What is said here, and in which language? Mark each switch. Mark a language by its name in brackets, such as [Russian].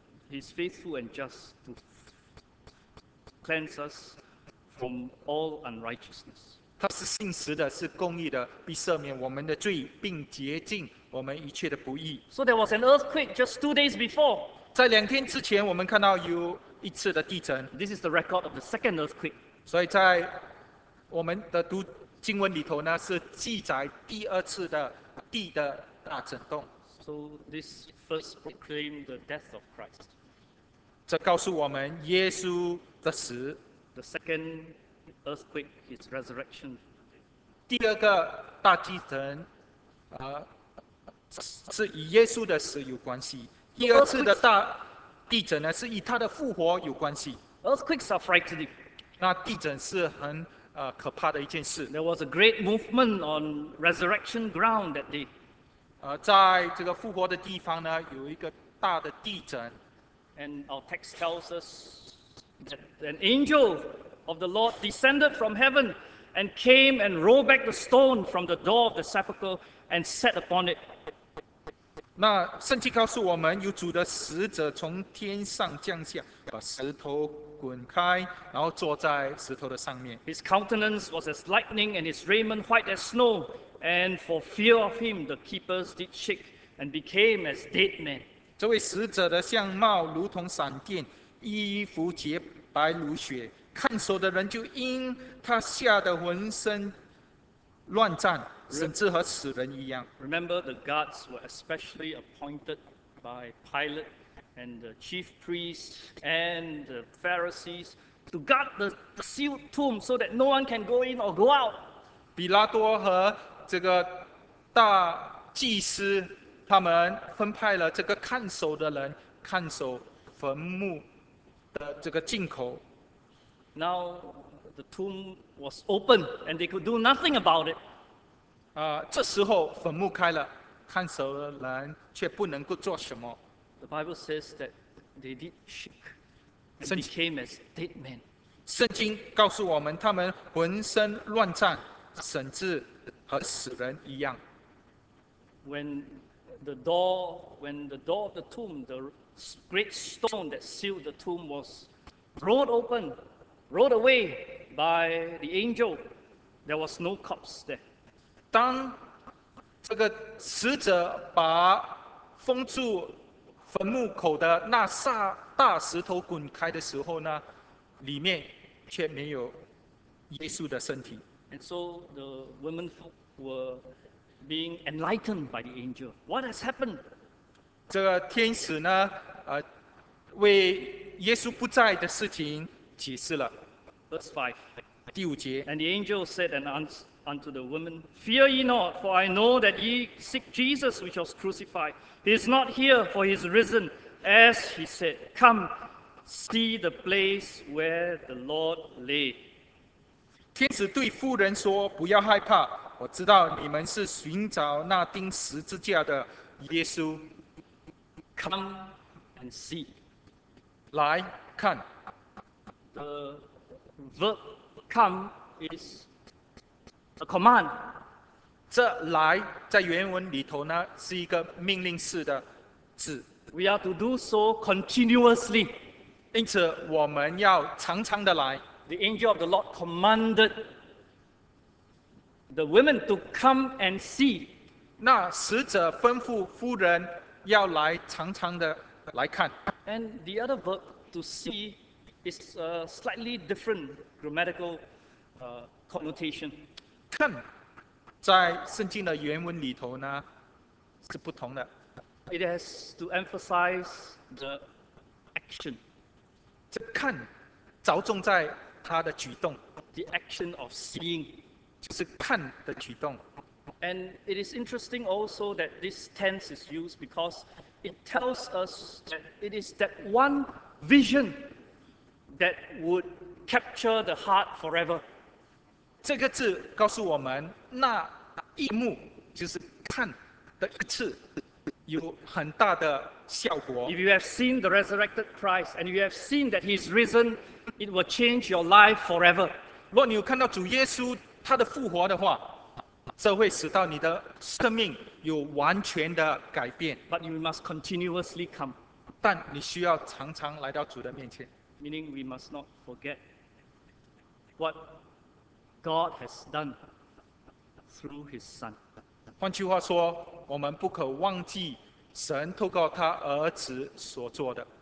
[English] He's faithful and just to cleanse us from all unrighteousness. [Chinese] 他是信实的，是公义的，必赦免我们的罪，并洁净我们一切的不义。 [English] So there was an earthquake just 2 days before. [Chinese] 在两天之前，我们看到有一次的地震。 [English] This is the record of the second earthquake. [Chinese] 所以在我们的读经文里头呢，是记载第二次的地的大震动。 [English] So this first proclaimed the death of Christ. [Chinese] 这告诉我们耶稣的死。 [English] The second earthquake is resurrection. [Chinese] 第二个大地震，是与耶稣的死有关系。第二次的大地震呢，是与他的复活有关系。 [English] Earthquakes are frightening. [Chinese] 那地震是很可怕的一件事。 [English] There was a great movement on resurrection ground that day. [Chinese] 在这个复活的地方呢，有一个大的地震。 [English] And our text tells us that an angel of the Lord descended from heaven and came and rolled back the stone from the door of the sepulchre and sat upon it. [Chinese] 那圣经告诉我们，有主的使者从天上降下，把石头滚开，然后坐在石头的上面。 [English] His countenance was as lightning, and his raiment white as snow. And for fear of him, the keepers did shake and became as dead men. [Chinese] 这位使者的相貌如同闪电，衣服洁白如雪，看守的人就因他吓得浑身乱颤，甚至和死人一样。 [English] Remember, the guards were especially appointed by Pilate. And the chief priests and the Pharisees to guard the sealed tomb so that no one can go in or go out. [Chinese] 比拉多和这个大祭司他们分派了这个看守的人看守坟墓的这个进口。 [English] Now the tomb was open and they could do nothing about it. [Chinese] 这时候坟墓开了，看守的人却不能够做什么。 [English] The Bible says that they did shake and became as dead men. [Chinese] 圣经告诉我们，他们浑身乱颤，甚至和死人一样。 [English] When the door of the tomb, the great stone that sealed the tomb was rolled open, rolled away by the angel, there was no corpse there. [Chinese] 当这个使者把封住坟墓口的那大石头滚开的时候呢，里面却没有耶稣的身体。 [English] And so the women folk were being enlightened by the angel. What has happened? [Chinese] 这个天使呢，为耶稣不在的事情解释了。 [English] Verse 5. [Chinese] 第五节。 [English] And the angel said and answered unto the woman, Fear ye not, for I know that ye seek Jesus which was crucified. He is not here, for he is risen, as he said. Come, see the place where the Lord lay. [Chinese] 天使对妇人说，不要害怕，我知道你们是寻找那钉十字架的耶稣。 [English] Come and see. [Chinese] 来看。 [English] The verb come is a command. [Chinese] 这来在原文里头呢是一个命令式的字。 [English] We are to do so continuously. [Chinese] 因此我们要常常的来。 [English] the angel of the Lord commanded the women to come and see. [Chinese] 那使者吩咐夫人要来常常的来看。 [English] And the other verb to see is a slightly different grammatical connotation. [Chinese] 看，在圣经的原文里头呢是不同的。 [English] It has to emphasize the action. [Chinese] 这看着重在他的举动。 [English] The action of seeing. [Chinese] 就是看的举动。 [English] And it is interesting also that this tense is used because it tells us that it is that one vision that would capture the heart forever. [Chinese] 这个字告诉我们，那一幕就是看的一次，有很大的效果。 [English] If you have seen the resurrected Christ and you have seen that he is risen, it will change your life forever. [Chinese] 若你有看到主耶稣他的复活的话，这会使到你的生命有完全的改变。 [English] But you must continuously come. [Chinese] 但你需要常常来到主的面前。 [English] Meaning we must not forget what God has done through his Son. [Chinese] 换句话说，我们不可忘记神透过他儿子所做的。